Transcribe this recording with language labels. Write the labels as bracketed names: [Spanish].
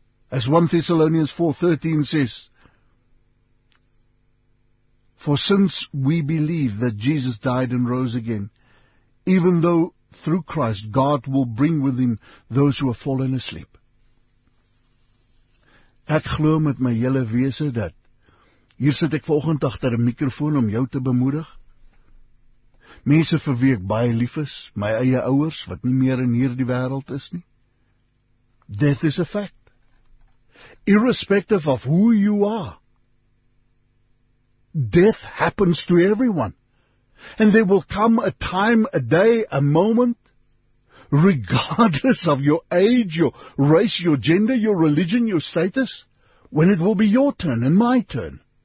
[English] As 1 Thessalonians 4:13 says, "For since we believe that Jesus died and rose again, even though through Christ God will bring with Him those who have fallen asleep." [Afrikaans] Ek glo met my hele wese dat, hier sit ek volgende agter 'n mikrofoon om jou te bemoedig. Mense vir wie ek baie lief is, my eie ouers, wat nie meer in hierdie wêreld is nie. [English] Death is a fact. Irrespective of who you are, death happens to everyone. And there will come a time, a day, a moment, regardless of your age, your race, your gender, your religion, your status, when it will be your turn and my turn.